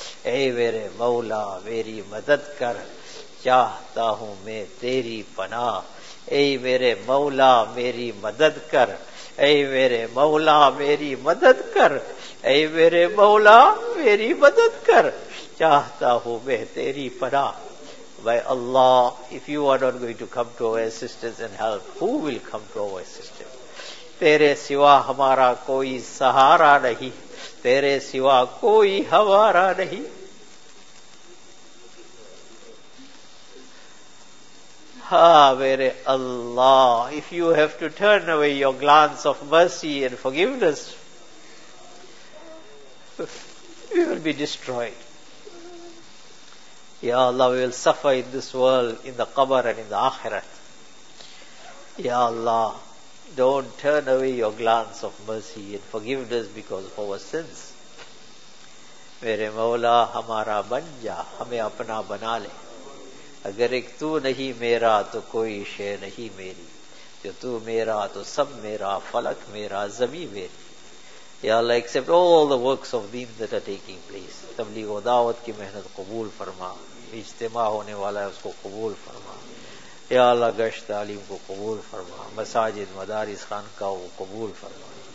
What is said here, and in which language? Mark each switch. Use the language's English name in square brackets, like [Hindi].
[Urdu] اے میرے مولا میری مدد کر، چاہتا ہوں میں تیری پناہ. اے میرے مولا میری مدد کر، اے میرے مولا میری مدد کر، اے میرے مولا میری مدد کر، چاہتا ہوں میں تیری پناہ. [English] By Allah, if you are not going to come to our assistance and help, who will come to our assistance? [Urdu] تیرے سوا ہمارا کوئی سہارا نہیں، تیرے سوا کوئی ہمارا نہیں. ہاں میرے اللہ، [English] if you have to turn away your glance of mercy and forgiveness, we will be destroyed. Ya Allah, we will suffer in this world, in the qabr and in the akhirat. Ya Allah, don't turn away your glance of mercy and forgiveness because of our sins. [Urdu] میرے مولا ہمارا بن جا، ہمیں اپنا بنا لے. اگر ایک تو نہیں میرا تو کوئی شے نہیں میری، جو تو میرا تو سب میرا، فلک میرا، زمین میری. [English] یا اللہ accept all the works of deen that are taking place. [Urdu] تبلیغ و دعوت کی محنت قبول فرما، اجتماع ہونے والا ہے اس کو قبول فرما. یا اللہ گشت تعلیم کو قبول فرما، مساجد مدارس خانقاہ کو قبول فرما.